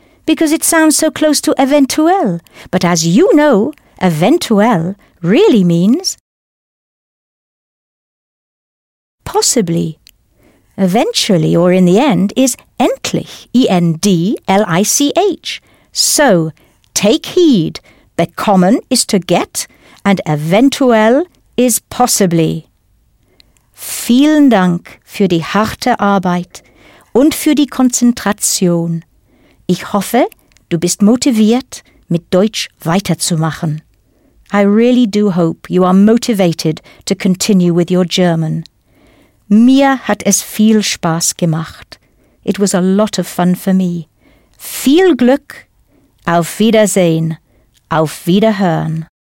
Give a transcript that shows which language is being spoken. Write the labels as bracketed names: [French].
[English] Because it sounds so close to eventuell. But as you know, eventuell really means possibly. Eventually, or in the end, is endlich, E-N-D-L-I-C-H. So, take heed, bekommen is to get, and eventuell is possibly. [German] Vielen Dank für die harte Arbeit und für die Konzentration. Ich hoffe, du bist motiviert, mit Deutsch weiterzumachen. [English] I really do hope you are motivated to continue with your German. [German] Mir hat es viel Spaß gemacht. [English] It was a lot of fun for me. [German] Viel Glück. Auf Wiedersehen. Auf Wiederhören.